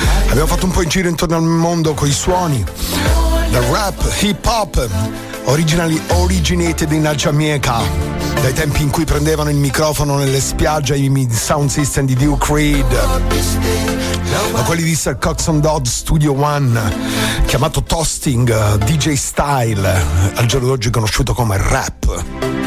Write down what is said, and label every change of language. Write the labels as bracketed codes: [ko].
[it] Abbiamo fatto un po' in giro intorno al mondo con i suoni. [en] The rap, hip hop, originally originated in Jamaica. [it] Dai tempi in cui prendevano il microfono nelle spiagge i sound system di Duke Reed. Da quelli di Sir Coxon Dodd Studio One, chiamato Toasting, DJ Style, al giorno d'oggi conosciuto come rap.